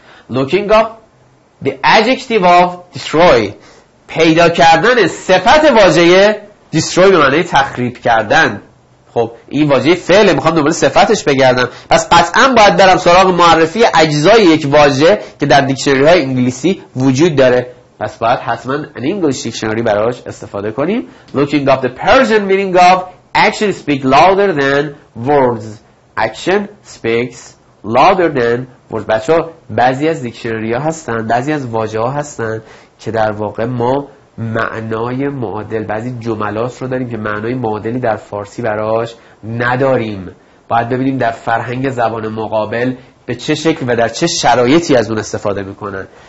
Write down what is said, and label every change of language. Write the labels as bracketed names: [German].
[English] Looking up the adjective of destroy، [Persian] پیدا کردن صفت واژه destroy به معنی تخریب کردن. خب این واژه فعله، میخوام دنبال صفتش بگردم، پس قطعا باید برم سراغ معرفی اجزای یک واژه که در دیکشنری های انگلیسی وجود داره، پس باید حتما [English] an English dictionary [Persian] براش استفاده کنیم. [English] Looking up the Persian meaning of action speak louder than words، action speaks louder than words. [Persian] بچه ها بعضی از دیکشنری ها هستن، بعضی از واژه ها هستن که در واقع ما معنای معادل، بعضی جملات رو داریم که معنای معادلی در فارسی براش نداریم. باید ببینیم در فرهنگ زبان مقابل به چه شکل و در چه شرایطی از اون استفاده میکنن.